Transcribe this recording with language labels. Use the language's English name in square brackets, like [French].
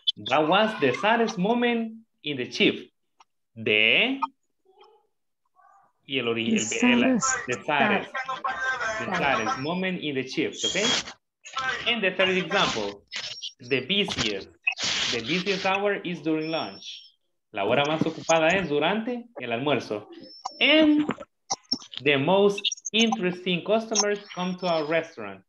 [English] That was the saddest moment in the shift. De. [Spanish] Y el original. [English] The saddest moment in the shift, okay? And the third example, the busiest hour is during lunch. [Spanish] La hora más ocupada es durante el almuerzo. [English] And the most interesting customers come to our restaurant.